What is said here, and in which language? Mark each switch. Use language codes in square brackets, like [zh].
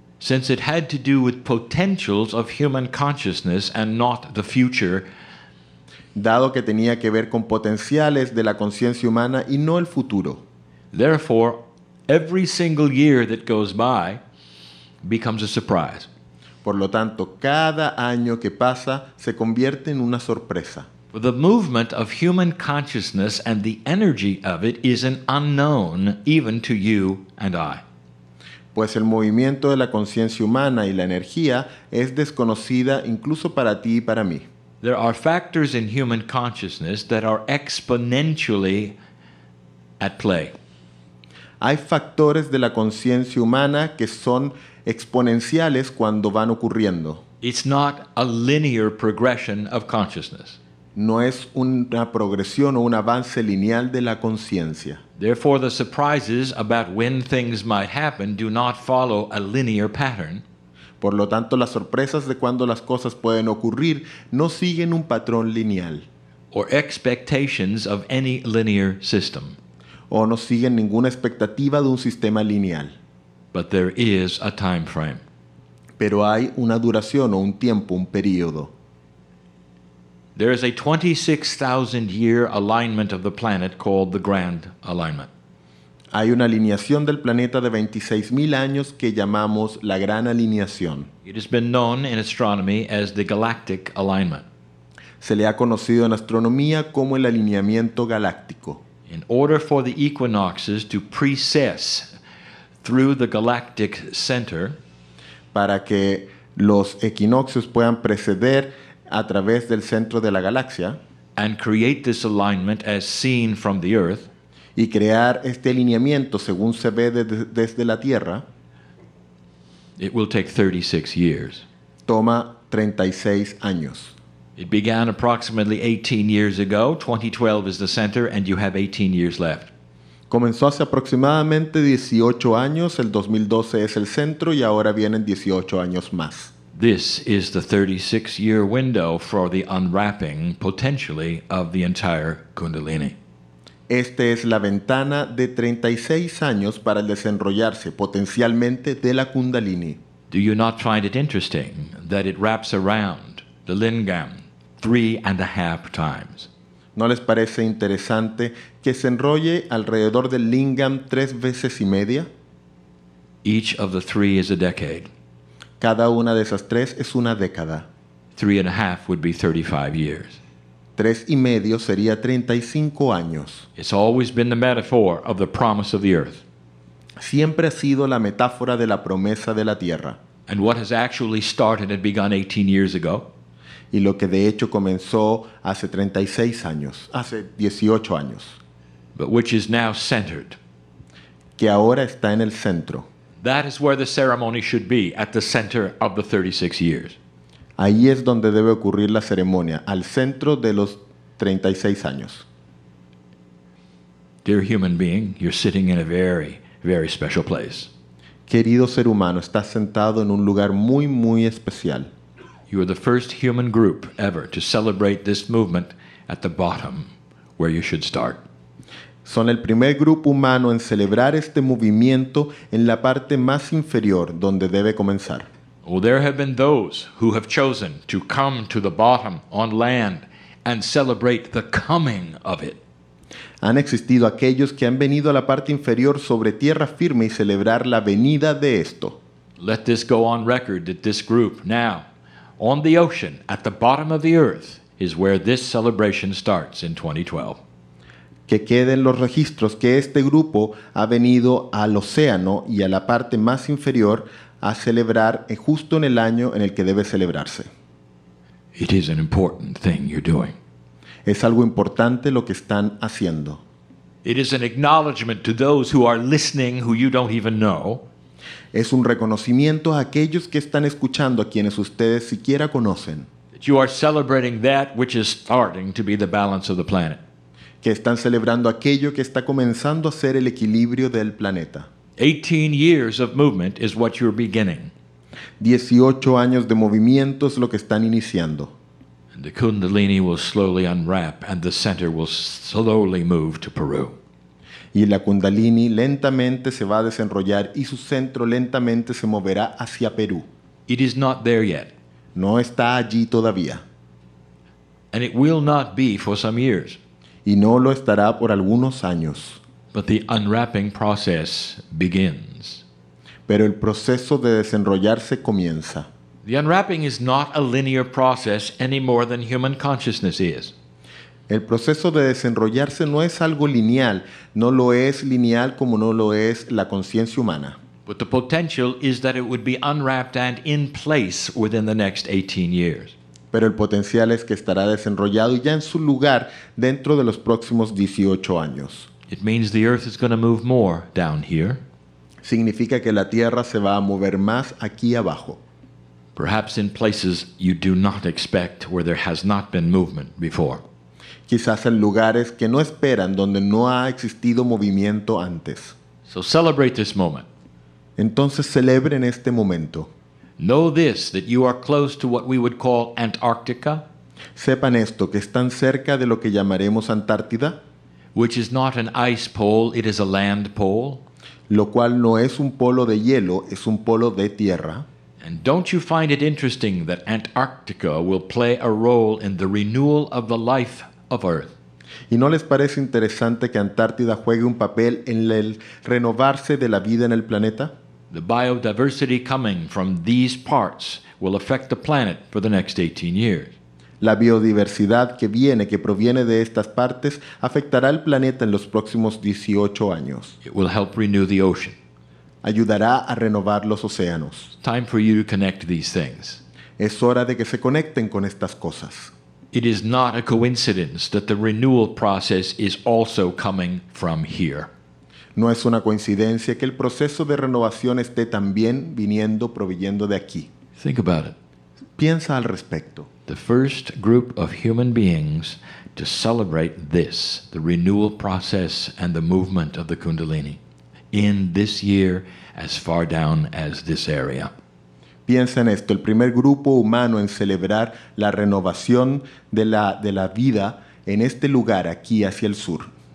[en] Since it had to do with potentials of human consciousness and not the future. [es] Dado que tenía que ver con potenciales de la conciencia humana y no el futuro. [en] Therefore, every single year that goes by becomes a surprise. [es] Por lo tanto, cada año que pasa se convierte en una sorpresa. [en] For the movement of human consciousness and the energy of it is an unknown even to you and I. [es] Pues el movimiento de la conciencia humana y la energía es desconocida incluso para ti y para mí. [en] There are factors in human consciousness that are exponentially at play. [es] Hay factores de la conciencia humana que son exponenciales cuando van ocurriendo. [en] It's not a linear progression of consciousness. [es] No es una progresión o un avance lineal de la conciencia. [en] Therefore, the surprises about when things might happen do not follow a linear pattern. [es] Por lo tanto, las sorpresas de cuando las cosas pueden ocurrir no siguen un patrón lineal. [en] Or expectations of any linear system. [es] O no siguen ninguna expectativa de un sistema lineal. [en] But there is a time frame. [es] Pero hay una duración o un tiempo, un periodo. [en] There is a 26,000-year alignment of the planet called the Grand Alignment. [es] Hay una alineación del planeta de 26,000 años que llamamos la Gran Alineación. [en] It has been known in astronomy as the Galactic Alignment. [es] Se le ha conocido en astronomía como el alineamiento galáctico. [en] In order for the equinoxes to precess through the galactic center, [es] para que los equinoccios puedan preceder a través del centro de la galaxia, [en] and create this alignment as seen from the Earth, [es] y crear este alineamiento según se ve desde la Tierra, [en] it will take 36 years. [es] Toma 36 años. [en] It began approximately 18 years ago. 2012 is the center, and you have 18 years left. [es] Comenzó hace aproximadamente 18 años. El 2012 es el centro, y ahora vienen 18 años más. [en] This is the 36-year window for the unwrapping, potentially, of the entire Kundalini. [es] Esta es la ventana de 36 años para desenrollarse potencialmente de la Kundalini. [en] Do you not find it interesting that it wraps around the Lingam 3.5 times? [es] ¿No les parece interesante que se enrolle alrededor del Lingam 3.5? [en] Each of the three is a decade. [es] Cada una de esas tres es una década. [en] 3.5 would be 35 years. [es] 3.5 sería 35 años. [en] It's always been the metaphor of the promise of the earth. [es] Siempre ha sido la metáfora de la promesa de la tierra. [en] And what has actually started and begun 18 years ago? [es] Y lo que de hecho comenzó hace 36 años, hace 18 años. [en] But which is now centered. [es] Que ahora está en el centro. [en] That is where the ceremony should be, at the center of the 36 years. [es] Ahí es donde debe ocurrir la ceremonia, al centro de los 36 años. [en] Dear human being, you're sitting in a very, very special place. [es] Querido ser humano, estás sentado en un lugar muy, muy especial. [en] You are the first human group ever to celebrate this movement at the bottom, where you should start. [es] Son el primer grupo humano en celebrar este movimiento en la parte más inferior, donde debe comenzar. [en] Well, there have been those who have chosen to come to the bottom on land and celebrate the coming of it. [es] Han existido aquellos que han venido a la parte inferior sobre tierra firme y celebrar la venida de esto. [en] Let this go on record that this group now, on the ocean, at the bottom of the earth, is where this celebration starts in 2012. [es] Que queden los registros que este grupo ha venido al océano y a la parte más inferior a celebrar justo en el año en el que debe celebrarse. [en] It is an important thing you're doing. [es] Es algo importante lo que están haciendo. [en] It is an acknowledgement to those who are listening who you don't even know. [es] Es un reconocimiento a aquellos que están escuchando, a quienes ustedes siquiera conocen. [en] That you are celebrating that which is starting to be the balance of the planet. [es] Que están celebrando aquello que está comenzando a ser el equilibrio del planeta. [en] 18 years of movement is what you're beginning. [es] 18 años de movimiento es lo que están iniciando. [en] And the Kundalini will slowly unwrap and the center will slowly move to Peru. [es] Y la Kundalini lentamente se va a desenrollar y su centro lentamente se moverá hacia Perú. [en] It is not there yet. [es] No está allí todavía. [en] And it will not be for some years. [es] Y no lo estará por algunos años. [en] But the unwrapping process begins. [es] Pero el proceso de desenrollarse comienza. [en] The unwrapping is not a linear process any more than human consciousness is. [es] El proceso de desenrollarse no es algo lineal, no lo es lineal como no lo es la conciencia humana. [en] But the potential is that it would be unwrapped and in place within the next 18 years. [es] Pero el potencial es que estará desenrollado ya en su lugar dentro de los próximos 18 años. [en] It means the earth is going to move more down here. [es] Significa que la tierra se va a mover más aquí abajo. [en] Perhaps in places you do not expect where there has not been movement before. [es] Quizás en lugares que no esperan, donde no ha existido movimiento antes. [en] So celebrate this moment. [es] Entonces celebren este momento. [en] Know this, that you are close to what we would call Antarctica. [es] Sepan esto, que están cerca de lo que llamaremos Antártida. [en] Which is not an ice pole, it is a land pole. [es] Lo cual no es un polo de hielo, es un polo de tierra. [en] And don't you find it interesting that Antarctica will play a role in the renewal of the life of Earth? [es] ¿Y no les parece interesante que Antártida juegue un papel en el renovarse de la vida en el planeta? [en] The biodiversity coming from these parts will affect the planet for the next 18 years. [es] La biodiversidad que viene, que proviene de estas partes, afectará al planeta en los próximos 18 años. [en] It will help renew the ocean. [es] Ayudará a renovar los océanos. [en] Time for you to connect these things. [es] Es hora de que se conecten con estas cosas. [en] It is not a coincidence that the renewal process is also coming from here. [es] No es una coincidencia que el proceso de renovación esté también viniendo, proveyendo de aquí. [en] Think about it. [es] Piensa al respecto. [en] The first group of human beings to celebrate this, the renewal process and the movement of the Kundalini, in this year, as far down as this area. [es] Piensa en esto, el primer grupo humano en celebrar la renovación de la vida en este lugar, aquí hacia el sur.